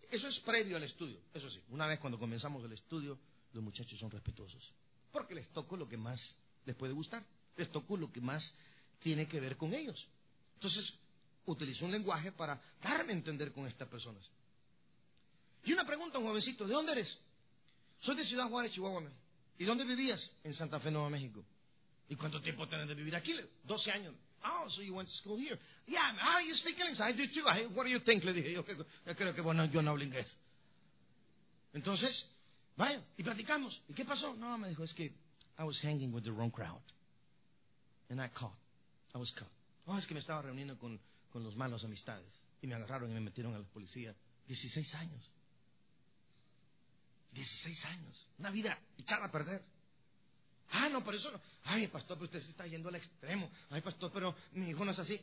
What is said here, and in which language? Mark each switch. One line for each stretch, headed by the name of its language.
Spanish: Eso es previo al estudio. Eso sí, una vez cuando comenzamos el estudio, los muchachos son respetuosos, porque les toco lo que más les puede gustar, les toco lo que más tiene que ver con ellos. Entonces, utilizo un lenguaje para darme a entender con estas personas. Y una pregunta, un jovencito, ¿de dónde eres? Soy de Ciudad Juárez, Chihuahua. ¿Y dónde vivías? En Santa Fe, Nuevo México. ¿Y cuánto tiempo tenés de vivir aquí? 12 años.
English: Oh, so you went to school here. Yeah, oh, you speak English. I do too. What do you think?
Spanish: Le dije yo. Creo que bueno, yo no hablo inglés. Entonces, vaya, y platicamos. ¿Y qué pasó? No, me dijo, es que
English: I was hanging with the wrong crowd. And I was caught.
Spanish: Oh, es que me estaba reuniendo con los malos amistades. Y me agarraron y me metieron a la policía. 16 años. 16 años. Una vida echada a perder. Ah, no, pero eso no. Ay, pastor, pero usted se está yendo al extremo. Ay, pastor, pero mi hijo no es así.